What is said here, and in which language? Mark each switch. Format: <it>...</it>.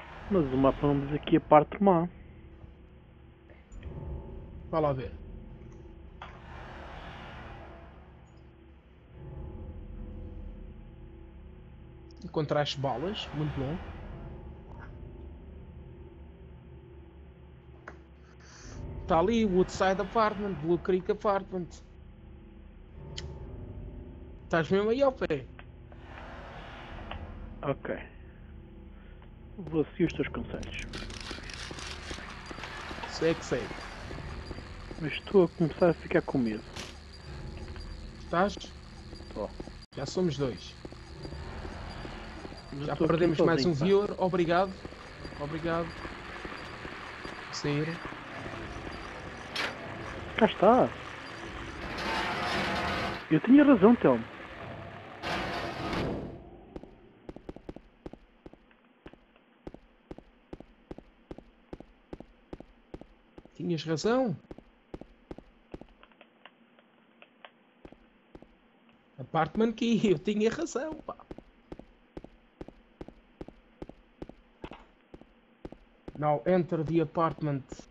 <pt>Mas o mapa não diz aqui a parte má. Vá lá ver. Encontraste balas, muito bom. Está ali, Woodside Apartment, Blue Creek Apartment. Estás mesmo aí ao pé. Ok. Vou seguir os teus conselhos. Sei que sei. Mas estou a começar a ficar com medo. Estás? Estou. Já somos dois. Eu já perdemos mais um viewer. Obrigado. Obrigado. Por sair. Cá está. Eu tinha razão, Telmo. Tinhas razão? Apartment key, eu tinha razão, pá.</pt> <en>Now enter the apartment.</en>